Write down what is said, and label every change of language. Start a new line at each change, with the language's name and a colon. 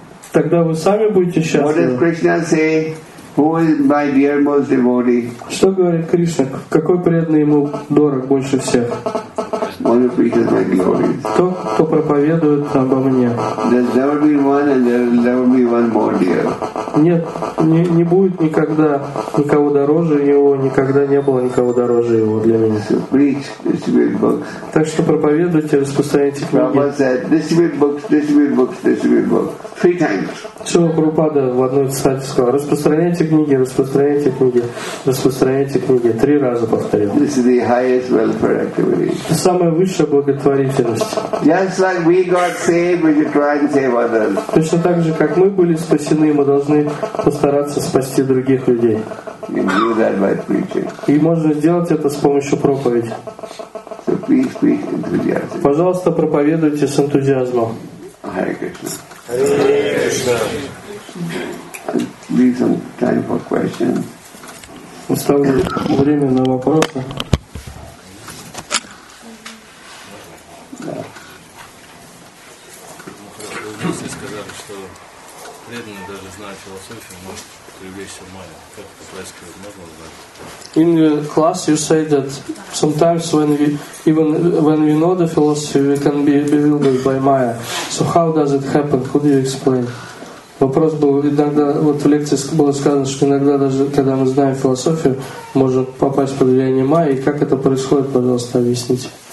Russian: Тогда вы сами будете счастливы.
English: What does Krishna say? Who is my dear most devotee?
Russian: Что говорит Кришна? Какой преданный ему дорог больше всех?
English: One preaches my glories.
Russian: Кто проповедует обо мне?
English: There's never been one, and there'll never be one more dear.
Russian: Нет, не будет никогда никого дороже его, никогда не было никого дороже его для меня.
English: So preach, distribute books.
Russian: Так что проповедуйте, распространяйте книги.
English: Prabhupada said, distribute books. 3 times.
Russian: Шрила Прабхупада в одной цитате сказал: распространяйте книги. 3 раза повторил.
English: This is the highest welfare activity.
Russian: Самая высшая благотворительность.
English: Just like we got saved, we should try and save others.
Russian: Точно так же, как мы были спасены, мы должны постараться спасти других людей.
English: You do that by preaching.
Russian: И можно сделать это с помощью проповеди.
English: So please preach enthusiastically.
Russian: Пожалуйста, проповедуйте с энтузиазмом.
English: Hare Krishna. Leave some time for questions.
Russian: Оставлю время на вопросы. Сказали. что преданный, даже зная философию, может привлечься в майя. Как это происходит? Можно узнать?
English: In the class you say that sometimes when we, even when we know the philosophy, we can be bewildered by Maya. So how does it happen? Could you explain?
Russian: Вопрос был, иногда, вот в лекции было сказано, что иногда даже когда мы знаем философию, можно попасть под влияние Майи. И как это происходит, пожалуйста, объясните.